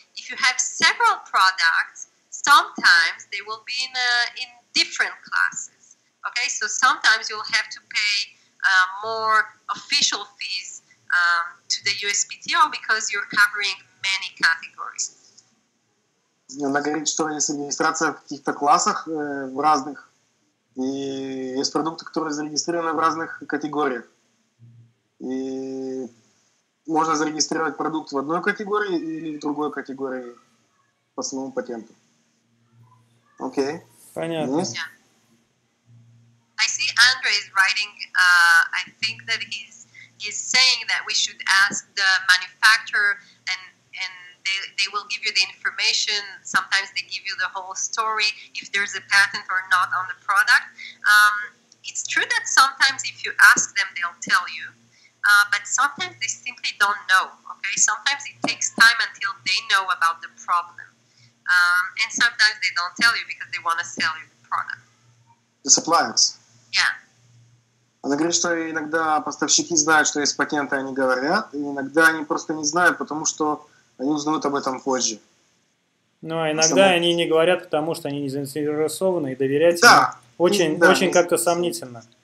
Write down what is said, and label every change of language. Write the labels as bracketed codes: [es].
[en] If you have several products, sometimes they will be in different classes. Okay, so sometimes you'll have to pay more official fees to the USPTO because you're covering many categories. [ru] Она говорит, что есть регистрация в каких-то классах, в разных, и есть продукты, которые зарегистрированы в разных категориях. И можно зарегистрировать продукт в одной категории или в другой категории по своему патенту. Окей. Понятно. [en] Yes. Yeah. I see Andre is writing, I think that he's saying that we should ask the manufacturer and they will give you the information. Sometimes they give you the whole story if there's a patent or not on the product. It's true that sometimes if you ask them, they'll tell you. But sometimes they simply don't know. Okay. Sometimes it takes time until they know about the problem. And sometimes they don't tell you because they want to sell you the product. The suppliers. Yeah. [ru] Она говорит, что иногда поставщики знают, что есть патенты, они говорят, и иногда они просто не знают, потому что они узнают об этом позже. Ну, а иногда они не говорят, потому что они не заинтересованы и доверять им очень, да, очень как-то сомнительно.